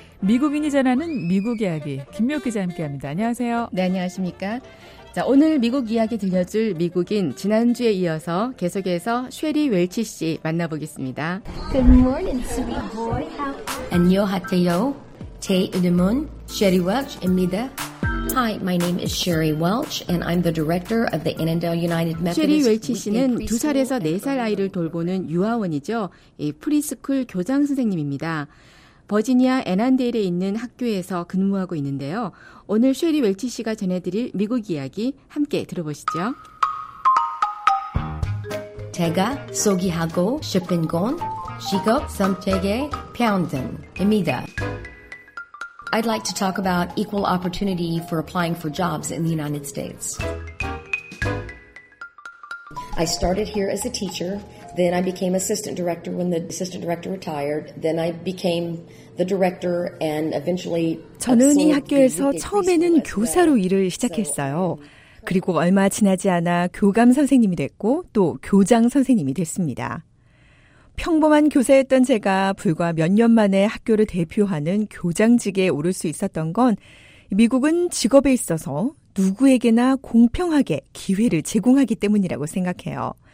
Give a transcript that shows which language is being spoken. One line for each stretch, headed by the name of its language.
Korean: 미국인이 전하는 미국 이야기 김묘 기자 함께합니다. 안녕하세요. 네, 안녕하십니까. 자, 오늘 미국 이야기 들려줄 미국인 지난주에 이어서 계속해서 쉐리 웰치 씨 만나보겠습니다.
English: Good morning, sweet boy.
Korean: 안녕하세요. 제 이름은 쉐리 웰치입니다.
English: Hi, my name is Sherry Welch, and I'm the director of the Annandale United Methodist.
Korean: 쉐리 웰치 씨는 두 살에서 네 살 아이를 돌보는 유아원이죠. 이 프리스쿨 교장 선생님입니다. 버지니아 애난데일에 있는 학교에서 근무하고 있는데요. 오늘 쉐리 웰치 씨가 전해드릴 미국 이야기 함께 들어보시죠. 제가 소개하고 싶은 건 직업 선택의 편등입니다.
English: I'd like to talk about equal opportunity for applying for jobs in the United States. I started here as a teacher. Then I became assistant director when the assistant director retired. Then I became the director and eventually...
Korean: 저는 이 학교에서 처음에는 교사로 일을 시작했어요. 그리고 얼마 지나지 않아 교감 선생님이 됐고 또 교장 선생님이 됐습니다. 평범한 교사였던 제가 불과 몇 년 만에 학교를 대표하는 교장직에 오를 수 있었던 건 미국은 직업에 있어서 누구에게나 공평하게 기회를 제공하기 때문이라고 생각해요.